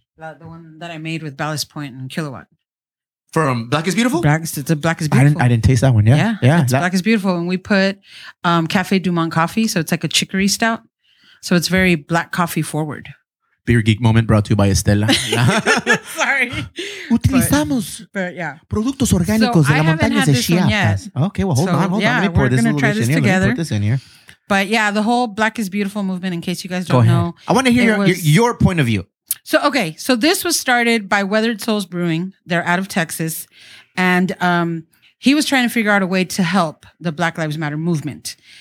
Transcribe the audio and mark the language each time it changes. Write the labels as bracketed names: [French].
[English] The one that I made with Ballast Point and Kilowatt. From Black is Beautiful? Black is Beautiful. I didn't taste that one. Yeah. Yeah. Black is Beautiful. And we put Cafe Du Monde coffee. So it's like a chicory stout. So it's very black coffee forward. Beer geek moment brought to you by Estela. Sorry. [Spanish] Utilizamos productos orgánicos de la montaña de Chiapas. [English] Okay, well, hold on. Yeah, let me pour this little dish in here. Let me put this in here. But yeah, the whole Black is Beautiful movement, in case you guys don't know. I want to hear your point of view. So this was started by Weathered Souls Brewing. They're out of Texas. And he was trying to figure out a way to help the Black Lives Matter movement.